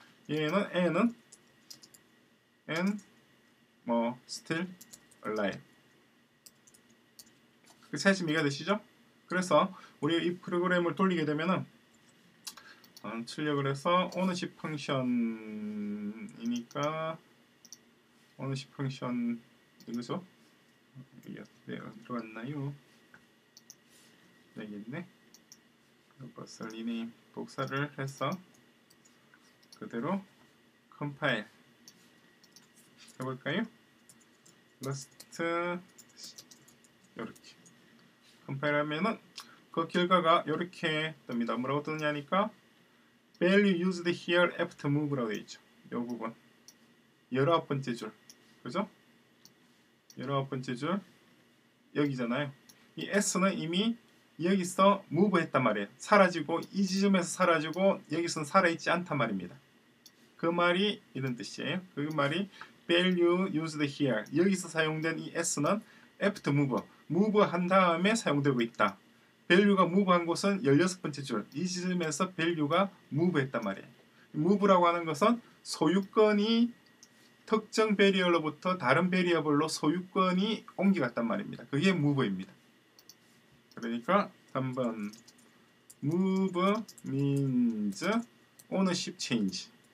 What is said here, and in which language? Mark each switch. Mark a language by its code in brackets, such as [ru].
[ko] 얘는 n은 n 뭐 still alive. 그 차이점 이해가 되시죠? 그래서 우리 이 프로그램을 돌리게 되면은 출력을 해서 ownership function이니까 ownership function 이거죠? 여기 들어왔나요? 여기 있네. 버슬 이미 복사를 해서 그대로 컴파일 해볼까요? Rust 이렇게 컴파일하면은 그 결과가 이렇게 뜹니다. 뭐라고 뜨느냐니까 value used here after move 라고 되어있죠. 요 부분 19번째 줄, 그죠? 19번째 줄 여기잖아요. 이 s는 이미 여기서 move 했단 말이에요. 사라지고, 이 지점에서 사라지고 여기서는 살아있지 않단 말입니다. 그 말이 이런 뜻이에요. 그 말이 value used here, 여기서 사용된 이 s는 after move, move 한 다음에 사용되고 있다. value가 move 한 곳은 16번째 줄, 이 지점에서 value가 move 했단 말이에요. move라고 하는 것은 소유권이 특정 variable로부터 다른 variable로 소유권이 옮겨갔단 말입니다. 그게 move입니다. 그러니까 3번 [en] move means ownership change.